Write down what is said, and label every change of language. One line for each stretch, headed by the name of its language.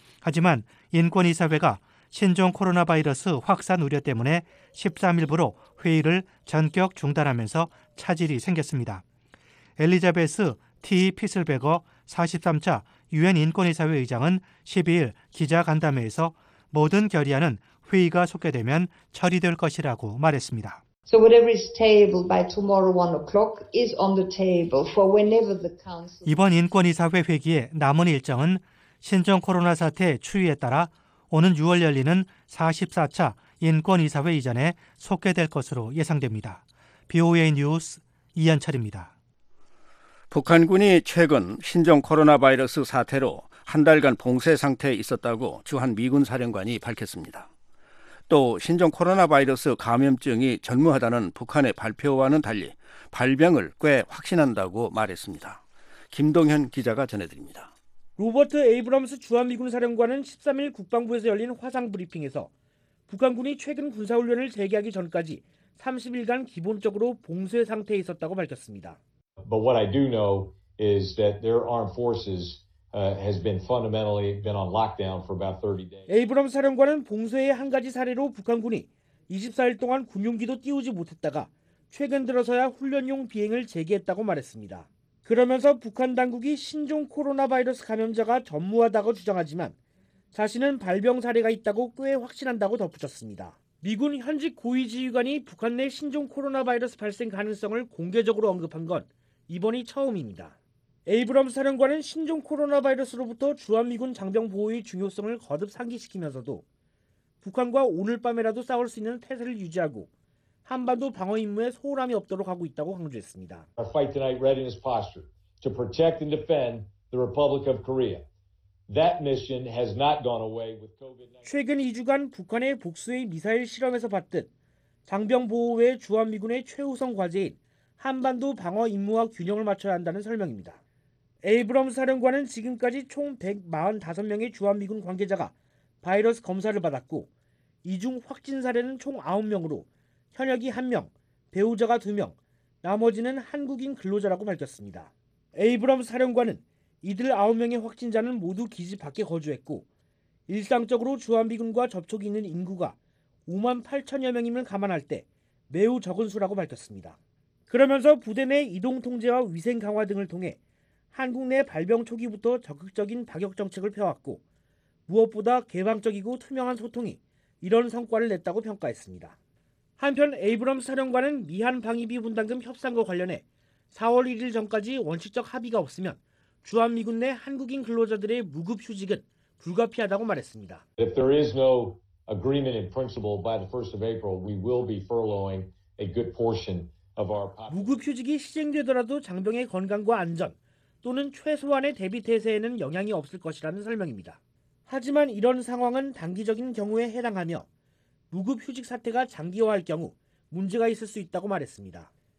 Korean: 하지만 인권이사회가 신종 코로나 바이러스 확산 우려 때문에 13일부로 회의를 전격 중단하면서 차질이 생겼습니다. 엘리자베스 티 피슬베거 43차 유엔 인권이사회 의장은 12일 기자간담회에서 모든 결의안은 회의가 소개되면 처리될 것이라고 말했습니다.
English: So whatever is table by tomorrow 1 o'clock is on the table for whenever the council.
Korean: 이번 인권이사회 회기의 남은 일정은 신종 코로나 사태 추이에 따라 오는 6월 열리는 44차 인권이사회 이전에 소개될 것으로 예상됩니다. BOA 뉴스 이한철입니다. 북한군이 최근 신종 코로나 바이러스 사태로 한 달간 봉쇄 상태에 있었다고 주한 미군 사령관이 밝혔습니다. 또 신종 코로나 바이러스 감염증이 전무하다는 북한의 발표와는 달리 발병을 꽤 확신한다고 말했습니다. 김동현 기자가 전해드립니다. 로버트 에이브람스 주한미군 사령관은 13일 국방부에서 열린 화상 브리핑에서 북한군이 최근 군사훈련을 재개하기 전까지 30일간 기본적으로 봉쇄 상태에 있었다고 밝혔습니다.
English: But what I do know is that their armed forces has been fundamentally been on lockdown for about 30 days.
Korean: 에이브람스 사령관은 봉쇄의 한 가지 사례로 북한군이 24일 동안 군용기도 띄우지 못했다가 최근 들어서야 훈련용 비행을 재개했다고 말했습니다. 그러면서 북한 당국이 신종 코로나 바이러스 감염자가 전무하다고 주장하지만 자신은 발병 사례가 있다고 꽤 확신한다고 덧붙였습니다. 미군 현직 고위 지휘관이 북한 내 신종 코로나 바이러스 발생 가능성을 공개적으로 언급한 건 이번이 처음입니다. 에이브럼스 사령관은 신종 코로나 바이러스로부터 주한미군 장병 보호의 중요성을 거듭 상기시키면서도 북한과 오늘 밤에라도 싸울 수 있는 태세를 유지하고 한반도 방어 임무에 소홀함이 없도록 하고 있다고 강조했습니다.
English: Our fight tonight readiness posture to protect and defend the Republic of Korea. That mission has not gone away with COVID-19.
Korean: 최근 2주간 북한의 복수의 미사일 실험에서 봤듯 장병 보호 외 주한미군의 최우선 과제인 한반도 방어 임무와 균형을 맞춰야 한다는 설명입니다. 에이브럼스 사령관은 지금까지 총 145명의 주한미군 관계자가 바이러스 검사를 받았고 이 중 확진 사례는 총 9명으로 현역이 1명, 배우자가 2명, 나머지는 한국인 근로자라고 밝혔습니다. 에이브럼스 사령관은 이들 9명의 확진자는 모두 기지 밖에 거주했고 일상적으로 주한미군과 접촉이 있는 인구가 5만 8천여 명임을 감안할 때 매우 적은 수라고 밝혔습니다. 그러면서 부대 내 이동 통제와 위생 강화 등을 통해 한국 내 발병 초기부터 적극적인 방역 정책을 펴왔고 무엇보다 개방적이고 투명한 소통이 이런 성과를 냈다고 평가했습니다. 한편 에이브럼스 사령관은 미한 방위비 분담금 협상과 관련해 4월 1일 전까지 원칙적 합의가 없으면 주한미군 내 한국인 근로자들의 무급 휴직은 불가피하다고 말했습니다.
English: If there is no agreement in principle by the 1st of April, we will be furloughing a good portion.
Korean: 무급 휴직이 시행되더라도 장병의 건강과 안전 또는 최소한의 대비 태세에는 영향이 없을 것이라는 설명입니다. 하지만 이런 상황은 단기적인 경우에 해당하며 무급 휴직 사태가 장기화할 경우 문제가 있을 수 있다고 말했습니다.